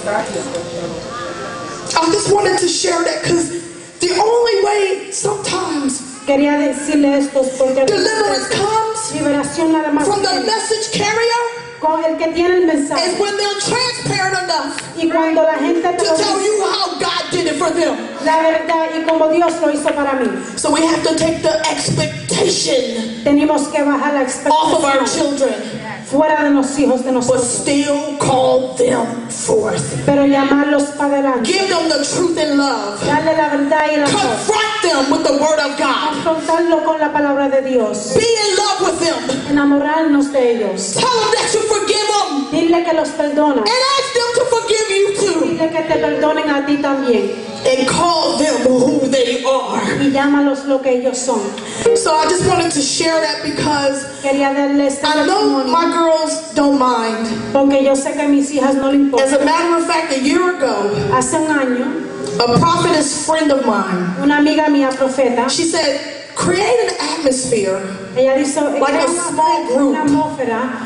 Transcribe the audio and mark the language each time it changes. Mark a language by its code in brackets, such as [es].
[en] I just wanted to share that because the only way sometimes deliverance comes from the message carrier is when they're transparent enough to tell you how God did it for them. [es] La verdad y como Dios lo hizo para mí. [en] So we have to take the expectation off of our children. [es] Fuera de los hijos de nosotros. [en] But still call them forth. [es] Pero llamarlos para adelante. [en] Give them the truth and love. [es] Dale la verdad y el amor. [en] Confront them with the word of God. [es] Confrontarlo con la palabra de Dios. [en] Be in love with them. [es] Enamorarnos de ellos. [en] Tell them that you forgive them. [es] Dile que los perdona. [en] And ask them to forgive you too. [es] Dile que te perdonen a ti también. [en] And call them who they are. [es] Y llámalos lo que ellos son. [en] So I just wanted to share that because [es] quería darles [en] I know my girls don't mind. [es] Porque yo sé que mis hijas no le importan. [en] As a matter of fact, a year ago, [es] hace un año, [en] a prophetess friend of mine, [es] una amiga mía profeta, [en] she said, create an atmosphere. [es] Ella hizo, [en] like a small group [es] atmósfera,